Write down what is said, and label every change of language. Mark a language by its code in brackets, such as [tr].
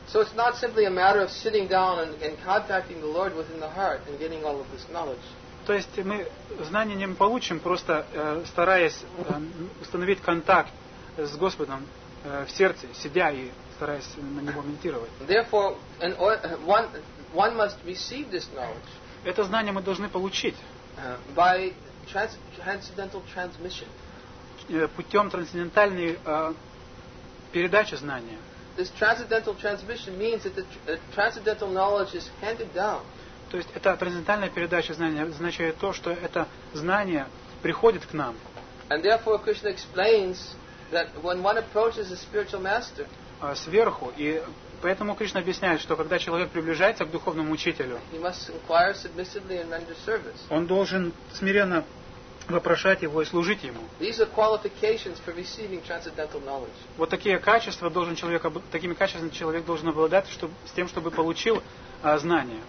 [ru] То есть мы знания не получим, просто стараясь установить контакт с Господом в сердце, сидя и стараясь на него медитировать. [en] Therefore, one must receive this knowledge. [ru] Это знание мы должны получить. [en] By transcendental transmission. [ru] Путем трансцендентальной передачи знания. [en] This transcendental transmission means that the transcendental knowledge is handed down. [ru] То есть это трансцендентальная передача знания означает то, что это знание приходит к нам. [en] And therefore Krishna explains that when one approaches a spiritual master, [ru] сверху, и поэтому Кришна объясняет, что когда человек приближается к духовному учителю, [en] he must inquire submissively and render service. [ru] Он должен смиренно вопрошать его и служить ему. [en] These are qualifications for receiving transcendental knowledge. [ru] Вот такие качества должен человек, такими качествами человек должен обладать, чтобы, с тем, чтобы получил знания.